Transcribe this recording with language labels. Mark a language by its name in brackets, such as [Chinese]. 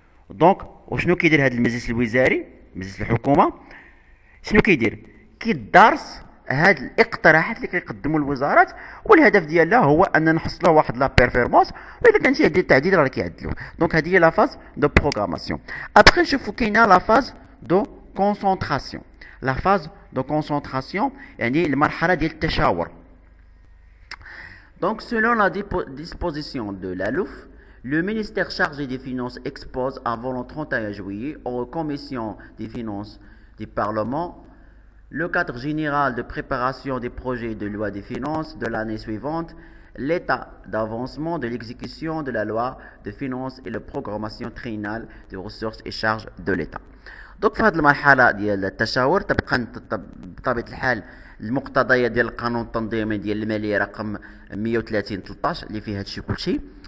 [Arabic] دونك وشنو كيدير هذا المجلس الوزاري، مجلس الحكومه شنو كيدير؟ كيدارس هاد الاقتراحات اللي كيقدموا الوزارات، والهدف ديالها هو ان نحصلوا واحد لا بيرفورمانس، واذا كان شي تعديل راه كيعدلوه. دونك هذه هي [French] لا فاز دو بروغراماسيون. [Arabic] ابخي نشوفوا كاينه [French] لا فاز دو كونسونتراسيون، [Arabic] لا فاز دو كونسونتراسيون يعني المرحله ديال التشاور. [French] دونك سولون لا ديسبوزيسيون دو لا لوف Le ministère chargé des finances expose avant le 31 juillet aux commissions des finances du Parlement le cadre général de préparation des projets de loi des finances de l'année suivante, l'état d'avancement de l'exécution de la loi de finances et la programmation triennale des ressources et charges de l'État. [Arabic] دوك في هذه المرحلة ديال التشاور تبقى بطبيعة الحال المقتضيات ديال القانون التنظيمي ديال المالية رقم 130 13 اللي فيه هادشي كلشي.